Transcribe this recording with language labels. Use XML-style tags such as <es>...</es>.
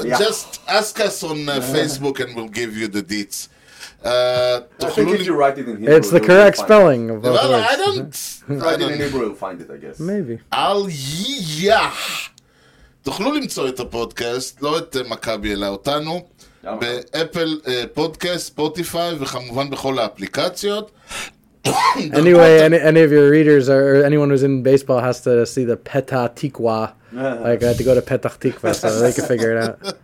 <en>Just ask us on Facebook and we'll give you the deets. If you write it in Hebrew, it's the correct spelling. Of well, words. I don't... Write it in Hebrew, you'll find it, I guess. Maybe. Aliyah.</en> <he>תוכלו למצוא את הפודקאסט, לא את מכבי, אלא אותנו. באפל פודקאסט, ספוטיפיי, וכמובן בכל האפליקציות.</he> <en>Anyway, any of your readers or anyone who's in baseball has to see the Petah Tikwa. Like, I had to go to Petah Tikwa so they can figure it out.</en>